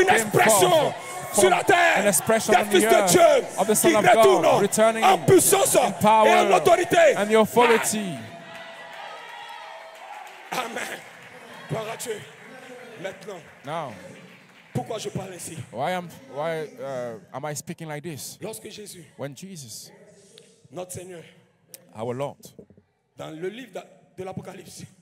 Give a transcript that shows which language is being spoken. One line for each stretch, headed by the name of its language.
French: une expression sur la terre,
English: an expression
French: des fils de Dieu
English: of the Son
French: qui retournent
English: returning
French: en puissance
English: in power
French: et en autorité.
English: And the authority.
French: Amen. Gloire à Dieu. Maintenant.
English: Now.
French: Pourquoi je parle ainsi?
English: Why am I speaking like this?
French: Lorsque Jésus,
English: when Jesus,
French: notre Seigneur,
English: our Lord,
French: dans le livre de l'Apocalypse,